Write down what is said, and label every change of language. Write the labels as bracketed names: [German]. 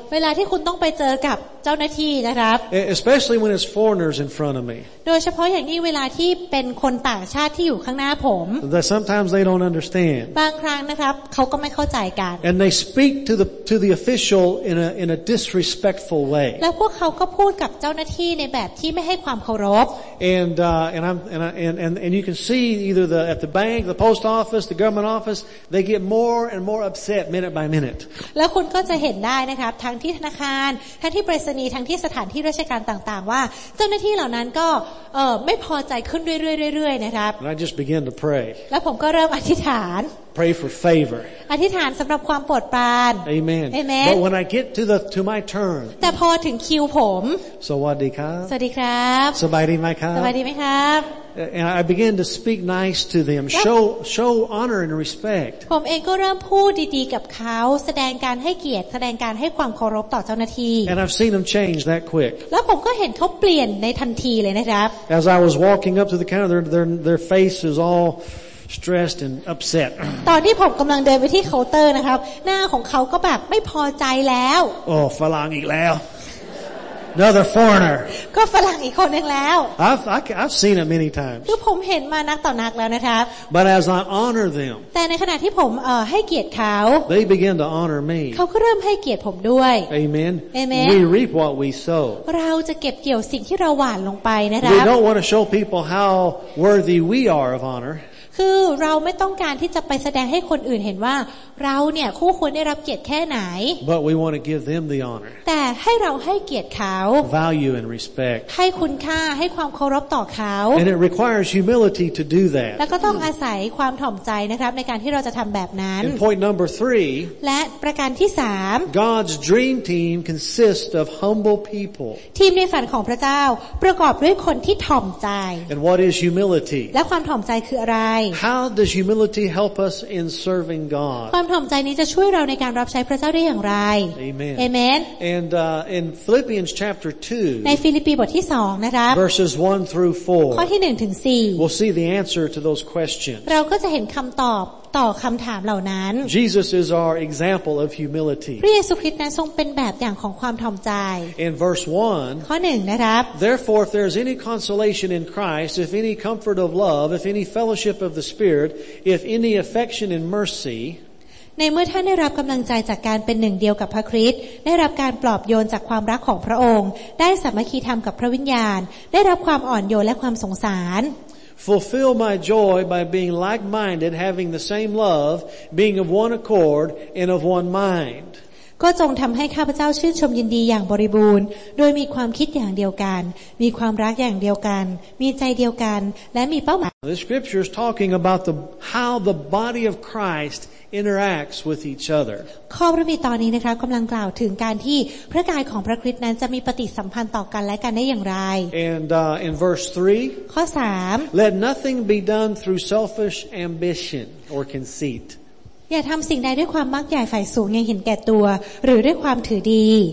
[Thai] เวลาที่คุณต้องไปเจอกับเจ้าหน้าที่นะครับ [English] especially when it's foreigners in front of me [Thai] โดยเฉพาะอย่างนี้เวลาที่เป็นคนต่างชาติที่อยู่ข้างหน้าผม [English] that sometimes they don't understand [Thai] บางครั้งนะครับเขาก็ไม่เข้าใจกัน [English] and they speak to the official in a disrespectful way [Thai] แล้วพวกเขาก็พูดกับเจ้าหน้าที่ในแบบที่ไม่ให้ความเคารพ [English] and you can see either the at the bank the post office the government office they get more and more upset minute by minute [Thai] แล้วคุณก็จะเห็นได้นะครับทั้งที่ธนาคารทั้งที่ประมีทั้งที่สถานที่ราชการต่างๆว่าเจ้าหน้าที่เหล่านั้นก็ไม่พอใจขึ้นเรื่อยๆๆนะครับ [English] And I just began to pray. [Thai] แล้วผมก็เริ่มอธิษฐาน [English] Pray for favor. [Thai] อธิษฐานสำหรับความโปรดปราน [English] Amen. Amen. But when I get to my turn. [Thai] แต่พอถึงคิวผม สวัสดีครับ สวัสดีครับ สบายดีไหมครับ สบายดีไหมครับ [English] And I began to speak nice to them, show honor and respect. [Thai] ผมเองก็เริ่มพูดดีๆกับเขาแสดงการให้เกียรติแสดงการให้ความเคารพต่อเจ้าหน้าที่ [English] And I've seen them change that quick. [Thai] แล้วผมก็เห็นเขาเปลี่ยนในทันทีเลยนะครับ [English] As I was walking up to the counter, their face is all stressed and upset. [Thai] ตอนที่ผมกำลังเดินไปที่เคาน์เตอร์นะครับหน้าของเขาก็แบบไม่พอใจแล้ว โอ้ฝรั่งอีกแล้ว [English] Another foreigner. [Thai] ก็ฝรั่งอีกคนนึงแล้ว [English] I've seen it many times. [Thai] คือผมเห็นมานักต่อนักแล้วนะครับ [English] But as I honor them. [Thai] แต่ในขณะที่ผมให้เกียรติเขา [English] They begin to honor me. [Thai] เขาก็เริ่มให้เกียรติผมด้วย [English] Amen. Amen. We reap what we sow. [Thai] เราจะเก็บเกี่ยวสิ่งที่เราหว่านลงไปนะครับ [English] We don't want to show people how worthy we are of honor. [Thai] คือเราไม่ต้องการที่จะไปแสดงให้คนอื่นเห็นว่าเราเนี่ยคู่ควรได้รับเกียรติแค่ไหน [English] But we want to give them the honor. [Thai] แต่ให้เราให้เกียรติเขา [English] Value and respect. [Thai] ให้คุณค่าให้ความเคารพต่อเขา [English] And it requires humility to do that. [Thai] แล้วก็ต้องอาศัยความถ่อมใจนะครับในการที่เราจะทำแบบนั้น [English] And point number 3. [Thai] และประการที่3 [English] God's dream team consists of humble people. [Thai] ทีมในฝันของพระเจ้าประกอบด้วยคนที่ถ่อมใจ [English] And what is humility? [Thai] และความถ่อมใจคืออะไร [English] How does humility help us in serving God? [Thai] ความถ่อมใจนี้จะช่วยเราในการรับใช้พระเจ้าได้อย่างไร [English] Amen. Amen. And in Philippians chapter 2, [Thai] ในฟิลิปปีบทที่2นะครับ [English] verses 1 through 4, [Thai] ข้อที่1ถึง4 [English] we'll see the answer to those questions. [Thai] เราก็จะเห็นคำตอบต่อคำถามเหล่านั้น [English] Jesus is our example of humility. [Thai] พระเยซูคริสต์นั้นทรงเป็นแบบอย่างของความถ่อมใจ [English] In verse 1, [Thai] ข้อ1นะครับ [English] Therefore, if there is any consolation in Christ, if any comfort of love, if any fellowship of the Spirit, if any affection and mercy, [Thai] ในเมื่อท่านได้รับกำลังใจจากการเป็นหนึ่งเดียวกับพระคริสต์ได้รับการปลอบโยนจากความรักของพระองค์ได้สามัคคีธรรมกับพระวิญญาณได้รับความอ่อนโยนและความสงสาร [English] Fulfill my joy by being like-minded, having the same love, being of one accord and of one mind. [Thai] ก็จงทำให้ข้าพเจ้าชื่นชมยินดีอย่างบริบูรณ์โดยมีความคิดอย่างเดียวกันมีความรักอย่างเดียวกันมีใจเดียวกันและมีเป้าหมาย [English] The scripture is talking about the how the body of Christ interacts with each other [Thai] ข้อพระคัมภีร์ตอนนี้นะคะกำลังกล่าวถึงการที่พระกายของพระคริสต์นั้นจะมีปฏิสัมพันธ์ต่อกันและกันได้อย่างไร [English] And in verse 3 [Thai] ข้อ3 [English] Let nothing be done through selfish ambition or conceit. [Thai] อย่าทำสิ่งใดด้วยความมักใหญ่ฝ่ายสูงยังเห็นแก่ตัวหรือด้วยความถือดี